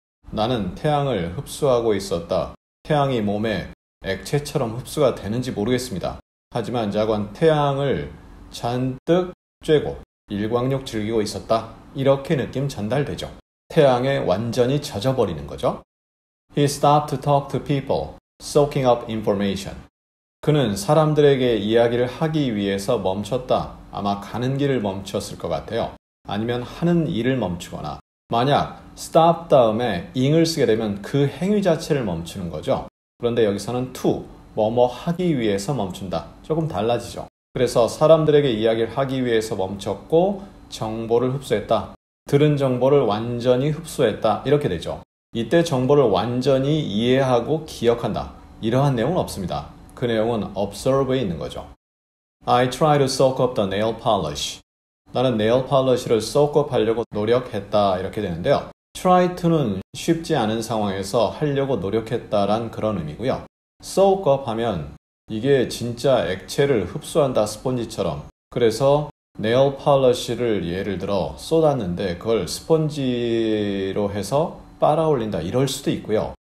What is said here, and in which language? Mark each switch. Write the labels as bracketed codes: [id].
[ko] 나는 태양을 흡수하고 있었다. 태양이 몸에 액체처럼 흡수가 되는지 모르겠습니다. 하지만 자건 태양을 잔뜩 쬐고 일광욕 즐기고 있었다. 이렇게 느낌 전달되죠. 태양에 완전히 젖어버리는 거죠. [en] He stopped to talk to people, soaking up information. [ko] 그는 사람들에게 이야기를 하기 위해서 멈췄다. 아마 가는 길을 멈췄을 것 같아요. 아니면 하는 일을 멈추거나. 만약 stop 다음에 ing을 쓰게 되면 그 행위 자체를 멈추는 거죠. 그런데 여기서는 to, 뭐뭐 하기 위해서 멈춘다. 조금 달라지죠. 그래서 사람들에게 이야기를 하기 위해서 멈췄고 정보를 흡수했다. 들은 정보를 완전히 흡수했다. 이렇게 되죠. 이때 정보를 완전히 이해하고 기억한다. 이러한 내용은 없습니다. 그 내용은 observe에 있는 거죠. [en] I try to soak up the nail polish. [ko] 나는 네일 팔러시를 soak up 하려고 노력했다. 이렇게 되는데요. try to는 쉽지 않은 상황에서 하려고 노력했다란 그런 의미고요. soak up 하면 이게 진짜 액체를 흡수한다, 스펀지처럼. 그래서 네일 팔러시를 예를 들어 쏟았는데 그걸 스펀지로 해서 빨아올린다, 이럴 수도 있고요.